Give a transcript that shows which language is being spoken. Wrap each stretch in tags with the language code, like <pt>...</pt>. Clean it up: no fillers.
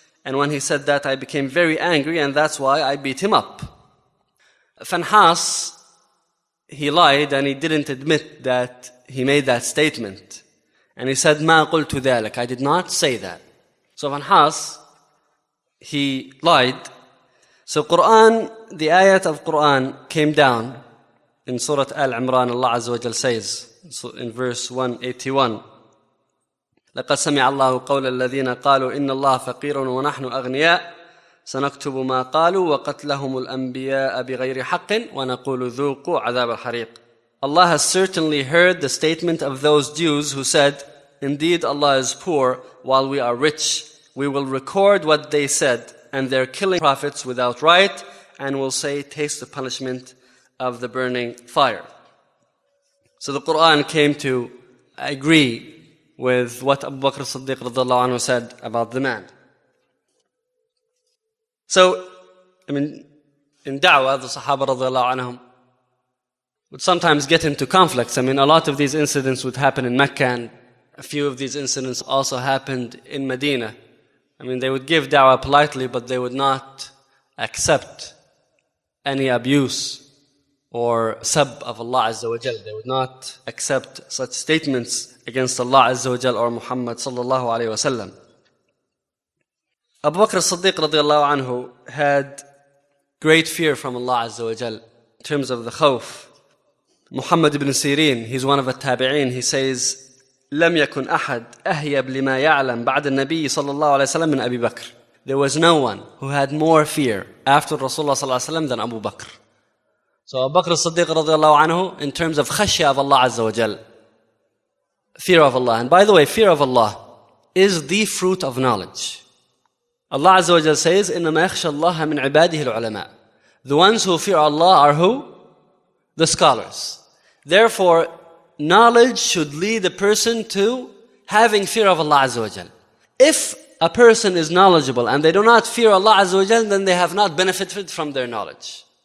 <en>And when he said that, I became very angry, and that's why I beat him up. Fanhas, he lied and he didn't admit that he made that statement. And he said,</en> <ar>ما قلت ذلك,</ar> <en>I did not say that. So Fanhas, he lied. So Quran, the ayat of Quran came down in Surah Al-Imran, Allah Azza wa Jal says, in verse 181,</en> <ar>لقد سمع الله قول الذين قالوا إن الله فقير ونحن أغنياء سنكتب ما قالوا وقتلهم الأنبياء بغير حق ونقول ذوقوا عذاب الحريق.</ar> <en>Allah has certainly heard the statement of those Jews who said, indeed Allah is poor while we are rich. We will record what they said and they're killing prophets without right and will say, taste the punishment of the burning fire. So the Quran came to agree with what Abu Bakr as-Siddiq radiallahu anhu said about the man. So, I mean, in da'wah, the Sahaba radiallahu anhum would sometimes get into conflicts. I mean, a lot of these incidents would happen in Mecca, and a few of these incidents also happened in Medina. I mean, they would give da'wah politely, but they would not accept any abuse or sab of Allah Azza wa Jal. They would not accept such statements against Allah Azza wa Jal or Muhammad sallallahu alayhi wa sallam. Abu Bakr as-Siddiq radiallahu anhu had great fear from Allah Azza wa Jal in terms of the khawf. Muhammad ibn Sirin, he's one of the tabi'een, he says,</en> <ar>لم يكن أحد أهيب لما يعلم بعد النبي صلى الله عليه وسلم من أبي بكر.</ar> <en>There was no one who had more fear after Rasulullah sallallahu alayhi wa sallam than Abu Bakr. So Abu Bakr as-Siddiq radiallahu anhu, in terms of khashya of Allah Azza wa Jal, fear of Allah. And by the way, fear of Allah is the fruit of knowledge. Allah Azza wa Jal says,</en> <ar>إِنَّمَا يَخْشَ اللَّهَ مِنْ عِبَادِهِ الْعُلَمَاءِ.</ar> <en>The ones who fear Allah are who? The scholars. Therefore, knowledge should lead a person to having fear of Allah Azza wa Jal. If a person is knowledgeable and they do not fear Allah Azza wa Jal, then they have not benefited from their knowledge.</en>